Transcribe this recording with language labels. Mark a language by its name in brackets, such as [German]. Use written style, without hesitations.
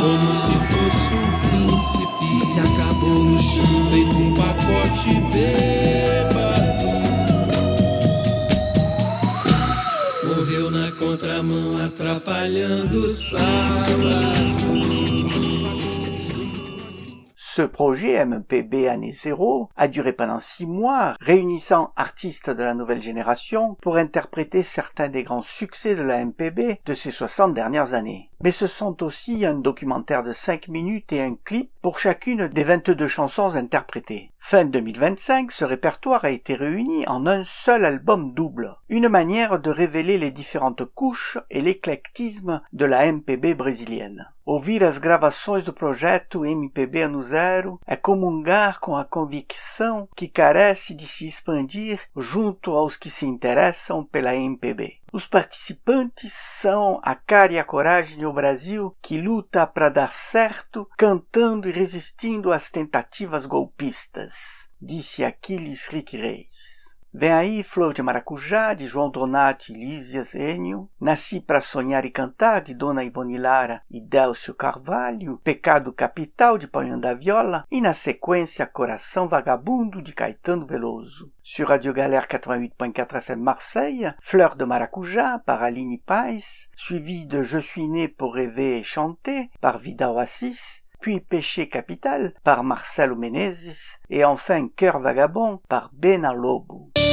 [Portuguese] como se fosse um príncipe. E se acabou no chão feito um pacote bêbado. Morreu na contramão atrapalhando o sábado. [French] Ce projet MPB Année Zéro a duré pendant 6 mois, réunissant artistes de la nouvelle génération pour interpréter certains des grands succès de la MPB de ces 60 dernières années. Mais ce sont aussi un documentaire de 5 minutes et un clip pour chacune des 22 chansons interprétées. Fin 2025, ce répertoire a été réuni en un seul album double, une manière de révéler les différentes couches et l'éclectisme de la MPB brésilienne. [Portuguese] Ouvir as gravações do projeto MPB Ano Zero é comungar com a convicção que carece de se expandir junto aos que se interessam pela MPB. Os participantes são a cara e a coragem do Brasil que luta para dar certo, cantando e resistindo às tentativas golpistas, disse Aquiles Rick Reis. Vem aí Flor de Maracujá, de João Donati, Lísias Enio. Nasci para Sonhar e Cantar, de Dona Ivone Lara e Délcio Carvalho. Pecado Capital, de Paulinho da Viola. E na sequência, Coração Vagabundo, de Caetano Veloso. [French] Sur Radio Galère 88.4 FM Marseille, Fleur de Maracujá, par Aline Paes. Suivi de Je suis né pour rêver et chanter, par Vida Oasis. Puis Péché Capital par Marcelo Menezes et enfin Cœur Vagabond par Bena Lobo.